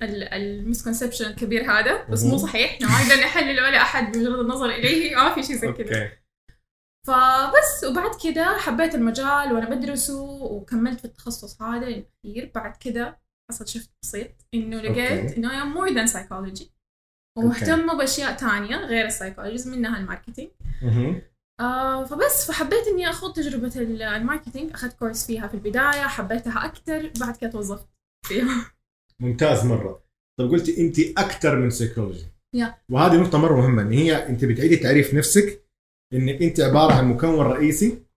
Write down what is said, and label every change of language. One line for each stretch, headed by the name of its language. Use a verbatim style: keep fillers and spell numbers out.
Arabic: المسكونسبشن الكبير هذا بس مو صحيح، إحنا ما نقدر نحلل ولا أحد بمجرد النظر إليه، ما في شيء زي كذا. فبس. وبعد كده حبيت المجال وانا بدرسه وكملت في التخصص هذا الكثير. بعد كده حصل شفت بسيط انه لقيت okay.
English: انه I'm more than psychology
Arabic: ومهتمه
English: okay.
Arabic: باشياء تانية غير السايكولوجي منها الماركتينج. mm-hmm. آه فبس فحبيت اني اخذ تجربه الماركتينج. اخذت كورس فيها في البدايه حبيتها اكثر بعد كده توظفت فيها. ممتاز مره. طب قلتي انت اكثر من سايكولوجي yeah. وهذه نقطه مره مهمه ان هي انت بتعيدي تعريف نفسك انك انت عباره عن مكون رئيسي.